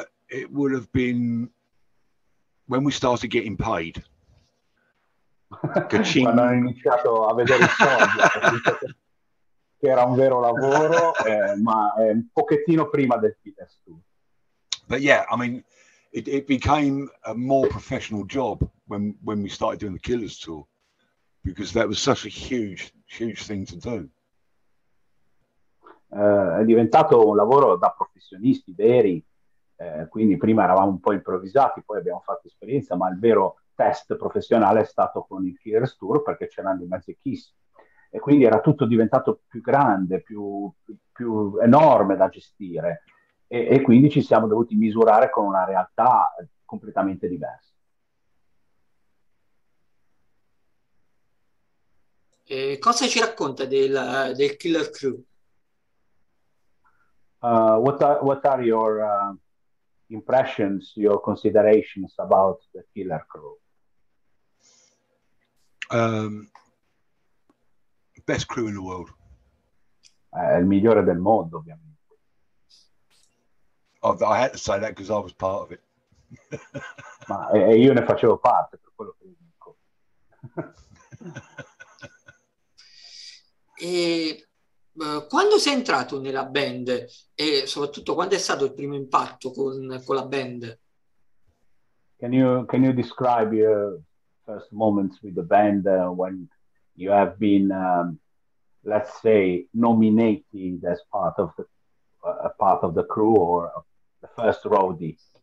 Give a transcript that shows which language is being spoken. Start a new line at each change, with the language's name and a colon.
English: It would have been when we started getting paid.
Italian: Quando hanno Ka-ching. iniziato a vedere i soldi, ho capito che era un vero lavoro, ma è un pochettino prima del Peterstone.
English: But yeah, I mean, it became a more professional job when we started doing the Killers tour, because that was such a huge thing to do.
Italian: È diventato un lavoro da professionisti veri, quindi prima eravamo un po' improvvisati, poi abbiamo fatto esperienza, ma il vero test professionale è stato con il Killers Tour perché c'erano i mezzi Kiss e quindi era tutto diventato più grande, più enorme da gestire e quindi ci siamo dovuti misurare con una realtà completamente diversa. Cosa ci racconta del Killer Crew?
English: What are your impressions, your considerations about the Killer Crew? Best crew in the world.
Italian: Il migliore del mondo, ovviamente.
English: Oh, I had to say that because I was part of it.
Italian: Ma io ne facevo parte, per quello che dico. Quando sei entrato nella band e soprattutto quando è stato il primo impatto con la band?
English: Can you describe your first moments with the band when you have been, let's say, nominated as part of the crew or the first roadie?